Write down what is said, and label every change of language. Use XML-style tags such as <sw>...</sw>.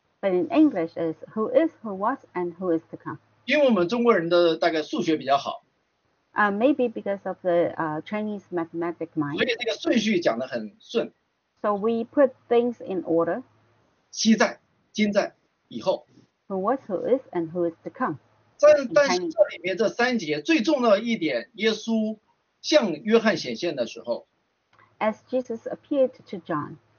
<en>But in English is who is, who was, and who is to come.</en> <zh>因为我们中国人的大概数学比较好。</zh> <en>Maybe because of the Chinese mathematic mind.</en> <zh>所以这个顺序讲得很顺。</zh> <en>So we put things in order.</en> <zh>昔在、今在、以后。</zh> <en>Who was, who is, and who is to come.</en> <zh>但是这里面这三节最重要的一点，耶稣向约翰显现的时候。</zh> <en>As Jesus appeared to John.</en>